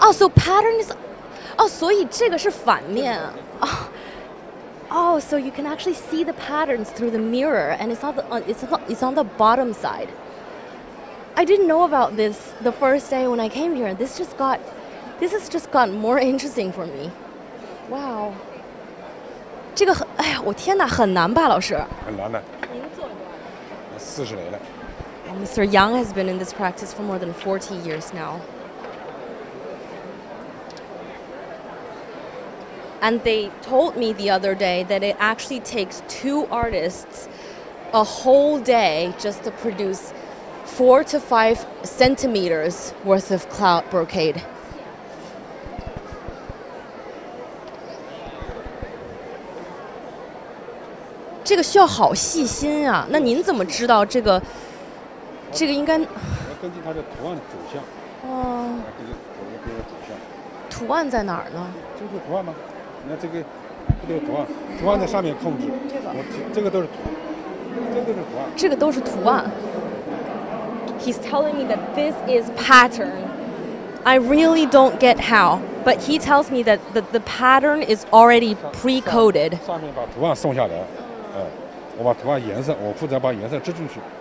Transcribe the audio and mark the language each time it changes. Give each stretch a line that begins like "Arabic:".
English: Oh, so pattern is, oh,
Chinese: 所以这个是反面。
English: Oh, so you can actually see the patterns through the mirror, and it's on the bottom side. I didn't know about this the first day when I came here. This has just gotten more interesting for me. Wow.
Chinese: 这个哎呀，我天哪，很难吧，老师？很难的。您做了40年了。
English: Mr. Yang has been in this practice for more than 40 years now. And they told me the other day that it actually takes two artists a whole day just to produce 4 to 5 centimeters worth of cloud brocade.
Chinese: 这个需要好细心啊！那您怎么知道这个应该？根据它的图案走向。哦。根据走向。图案在哪儿呢？就是图案吗？你看这个，这个图案，图案在上面控制。这个都是图案。这个都是图案。这个都是图案。
English: He's telling me that this is pattern. I really don't get how, but he tells me that the pattern is already pre-coded.
Chinese: 上面把图案送下来。我把图案颜色，我负责把颜色织进去。